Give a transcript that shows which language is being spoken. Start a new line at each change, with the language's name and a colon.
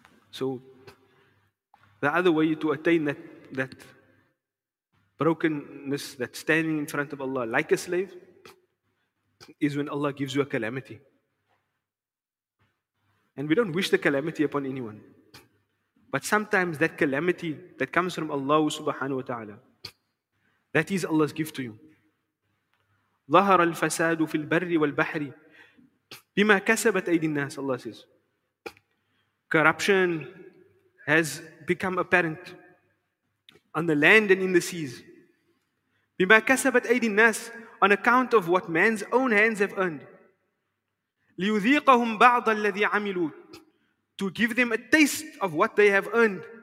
English: So the other way to attain that brokenness, that standing in front of Allah like a slave, is when Allah gives you a calamity. And we don't wish the calamity upon anyone. But sometimes that calamity that comes from Allah subhanahu wa ta'ala, that is Allah's gift to you.
Arabic: ظهر الفساد في البر والبحر بما كسبت أيدي الناس,
English: Allah says. Corruption has become apparent on the land and in the seas.
Arabic: بما كسبت أيدي الناس,
English: on account of what man's own hands have earned.
Arabic: لِيُذِيقَهُمْ بَعْضَ الَّذِي عَمِلُوا,
English: to give them a taste of what they have earned.